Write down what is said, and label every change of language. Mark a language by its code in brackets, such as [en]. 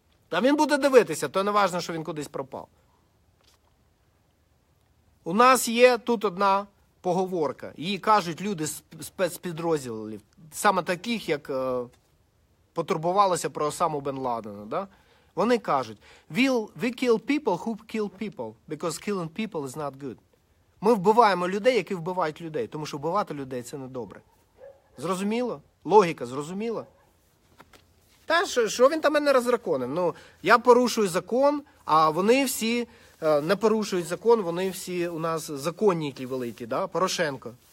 [uk] Та він буде дивитися, то не важливо, що він кудись пропав. У нас є тут одна поговорка. Її кажуть люди з спецпідрозділів, саме таких, як потурбувалося про Осаму Бен Ладена, да? [en] Вони кажуть, we kill people who kill people, because killing people is not good. [uk] Ми вбиваємо людей, які вбивають людей, тому що вбивати людей – це не добре. Зрозуміло? Логіка зрозуміла? Та, що він там мене розраконив? Ну, я порушую закон, а вони всі не порушують закон, вони всі у нас законники великі, да? Порошенко.